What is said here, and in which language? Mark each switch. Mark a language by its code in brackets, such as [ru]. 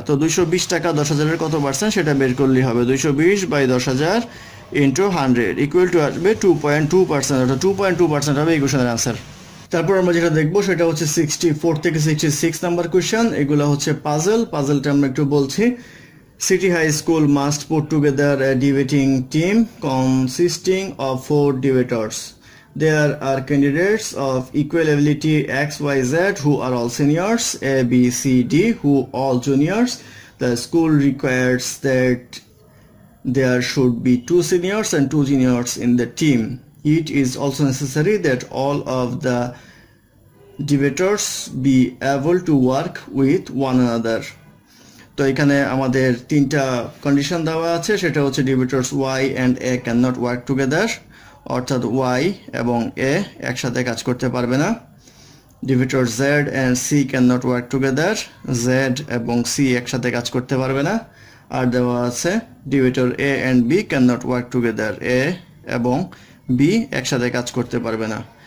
[bn] তো 220 টাকা 10,000-এর কত পার্সেন্ট সেটা বের করলেই হবে, 220/10,000 × 100 ইকুয়াল টু আসবে 2.2%, অর্থাৎ 2.2% হবে ইকুয়েশনের আনসার। তারপর আমরা যেটা দেখবো সেটা হচ্ছে 64 থেকে 66 নাম্বার কোয়েশ্চেন, এগুলো হচ্ছে পাজেল, পাজেলটা আমরা একটু বলছি। [en] City High School must put together a debating team consisting of four debaters. There are candidates of equal ability XYZ who are all seniors, ABCD who are all juniors. The school requires that there should be two seniors and two juniors in the team. It is also necessary that all of the debaters be able to work with one another. [bn] তো এখানে আমাদের তিনটা condition দেওয়া আছে, সেটা হচ্ছে [en] debaters Y and A can not work together, [bn] অর্থাৎ Y এবং এ একসাথে কাজ করতে পারবে না, [en] debater Z and C can not work together, [bn] Z এবং সি একসাথে কাজ করতে পারবে না, আর দেওয়া আছে [en] debater A and B can not work together, [bn] এ এবং বি একসাথে কাজ করতে পারবে না।